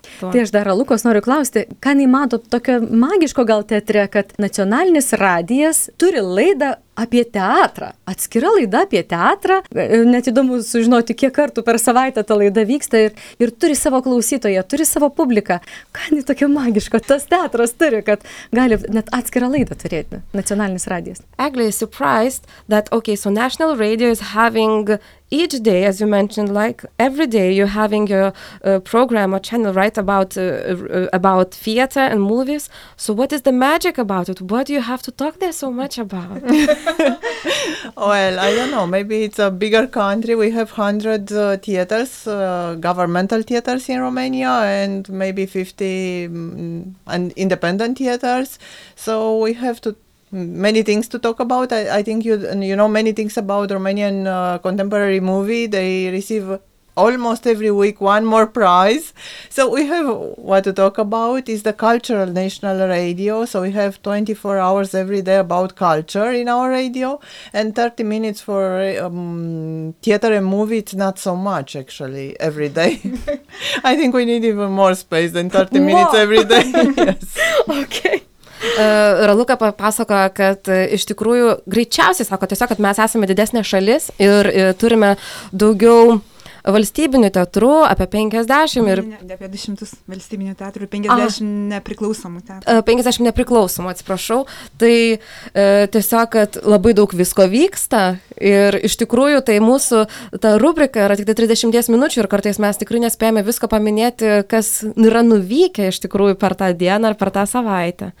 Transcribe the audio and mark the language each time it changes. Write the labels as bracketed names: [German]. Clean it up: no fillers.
[Lithuanian] Tai aš dar Lukos noriu klausti, ką neįmato tokio magiško gal teatre, kad nacionalinis radijas turi laidą apie teatrą, atskira laida apie teatrą, net įdomu sužinoti, kiek kartų per savaitę ta laida vyksta ir turi savo klausytoją, turi savo publiką, ką ne tokio magiško tas teatras turi, kad gali net atskirą laidą turėti nacionalinis radijas. [English] Eglė is surprised that, okay, so National Radio is having... Each day, as you mentioned, like every day you're having your program or channel, right, about theater and movies. So what is the magic about it? What do you have to talk there so much about? Well, I don't know. Maybe it's a bigger country. We have 100 theaters, governmental theaters in Romania, and maybe 50 and independent theaters. So we have to many things to talk about. I think you know many things about Romanian contemporary movie. They receive almost every week one more prize. So we have what to talk about is the cultural national radio. So we have 24 hours every day about culture in our radio and 30 minutes for theater and movie. It's not so much actually every day. I think we need even more space than 30 minutes every day. Yes. Okay. [Lithuanian] Raluka pasako, kad iš tikrųjų greičiausiai sako tiesiog, kad mes esame didesnė šalis ir turime daugiau valstybinių teatrų apie 50 ir... Ne, apie 200 valstybinių teatrų ir 50 nepriklausomų teatrų. 50 nepriklausomų, atsiprašau. Tai tiesiog, kad labai daug visko vyksta ir iš tikrųjų tai mūsų ta rubrika yra tik 30 minučių ir kartais mes tikrai nespėjame visko paminėti, kas yra nuvykę iš tikrųjų per tą dieną ar per tą savaitę.